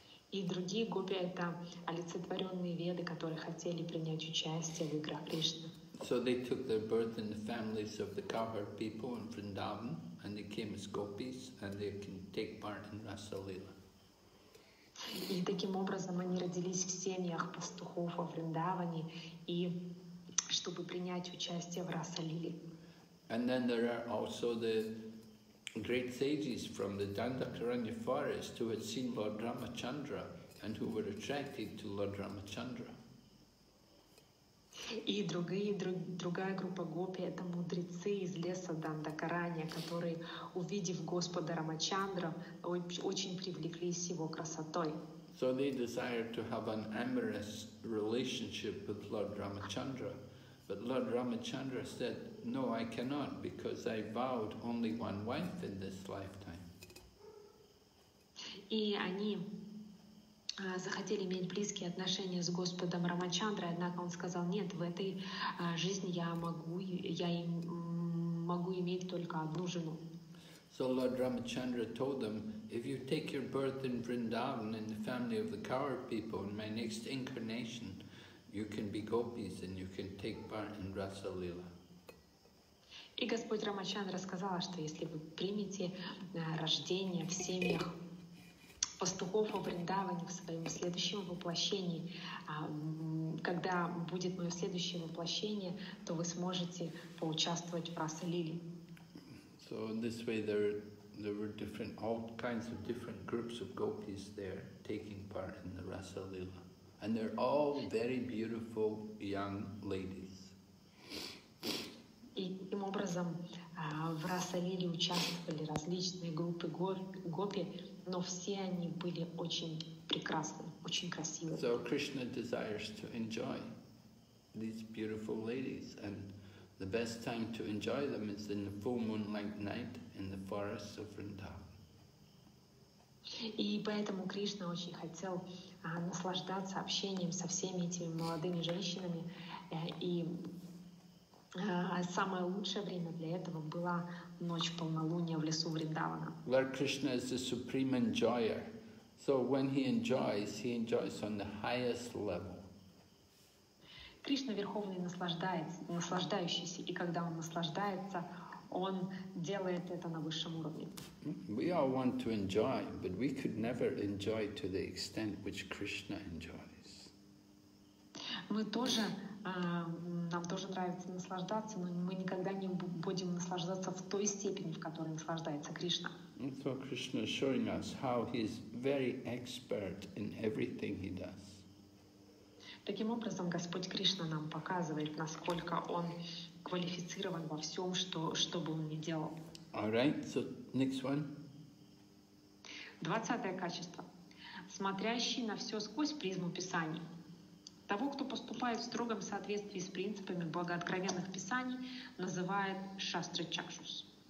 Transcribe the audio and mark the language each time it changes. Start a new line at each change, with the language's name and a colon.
Russian: И другие гопи — это олицетворенные веды, которые хотели принять участие в играх Кришны.
English: So they took their birth in the families of the cowherd people in Vrindavan, and they came as gopis, and they can take part in Rasa Lila.
Russian: И таким образом они родились в семьях пастухов во Вриндаване, и чтобы принять участие в Rasa Lila.
English: And then there are also the great sages from the Dandakaranya forest who had seen Lord Ramachandra and who were attracted to Lord Ramachandra.
Russian: И другая группа гопи — это мудрецы из леса Дандакаранья, которые, увидев Господа Рамачандра, очень привлеклись его красотой.
English: So they desired to have an amorous relationship with Lord Ramachandra. But Lord Ramachandra said, no, I cannot, because I vowed only one wife in this lifetime.
Russian: И они захотели иметь близкие отношения с Господом Рамачандрой, однако он сказал, нет, в этой жизни я могу иметь только одну жену.
English: So Lord Ramachandra told them, if you take your birth in Vrindavan, in the family of the cowherd people, in my next incarnation, you can be gopis and you can take part in Rasa Lila.
Russian: И Господь Рамачандра сказал, что если вы примете рождение в семьях пастухов во Вриндаване в своем следующем воплощении, когда будет мое следующее воплощение, то вы сможете поучаствовать в Rasa Lila.
English: So in this way there were different all kinds of different groups of gopis there taking part in the Rasa Lila. And they're all very beautiful young ladies.
Russian: И таким образом в Rasa Lila участвовали различные группы гопи, но все они были очень прекрасны, очень красивы.
English: So Krishna desires to enjoy these beautiful ladies, and the best time to enjoy them is in the full moonlight night in the forests of Vrindavan.
Russian: И поэтому Кришна очень хотел наслаждаться общением со всеми этими молодыми женщинами. И самое лучшее время для этого была ночь полнолуния в лесу Вриндавана.
English: Lord Krishna is the supreme enjoyer. So when he enjoys on the highest level.
Russian: Кришна верховный наслаждающийся, и когда он наслаждается, он делает это на высшем уровне.
English: We all want to enjoy, but we could never enjoy to the extent which Krishna enjoys.
Russian: Мы тоже, нам тоже нравится наслаждаться, но мы никогда не будем наслаждаться в той степени, в которой наслаждается Кришна.
English: And so Krishna is showing us how he is very expert in everything he does.
Russian: Таким образом, Господь Кришна нам показывает, насколько он квалифицирован во всем, что бы он ни делал.
English: All right, so next one.
Russian: 20-е качество. Смотрящий на все сквозь призму Писаний. Того, кто поступает в строгом соответствии с принципами благооткровенных Писаний, называют шастра-чакшус.